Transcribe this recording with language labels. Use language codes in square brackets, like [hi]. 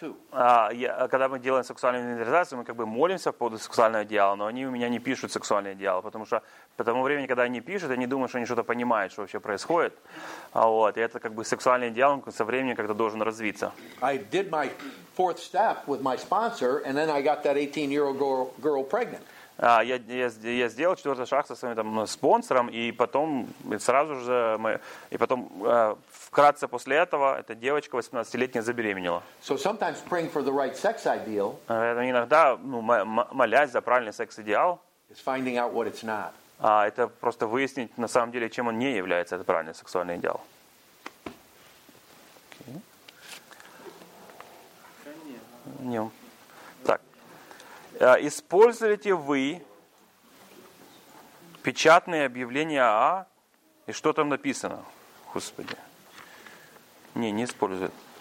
[ru] Когда мы делаем сексуальную инвентаризацию, мы как бы молимся по поводу сексуального идеала, но они у меня не пишут сексуальный идеал, потому что по тому времени, когда они пишут, они думают, что они что-то понимают, что вообще происходит. Вот, и это как бы сексуальный идеал, он со временем как-то должен развиться. [en] I did my fourth step with my sponsor, and then I got that 18-year-old girl pregnant. [ru] Я сделал четвертый шаг со своим там спонсором, и потом вкратце после этого эта девочка 18-летняя забеременела. [en] So sometimes praying for the right sex ideal. [ru] Иногда молясь за правильный секс идеал. [en] Is finding out what it's not. [ru] Это просто выяснить на самом деле, чем он не является, этот правильный сексуальный идеал. Не. Используете вы печатные объявления АА? И что там написано? Господи. Не используют.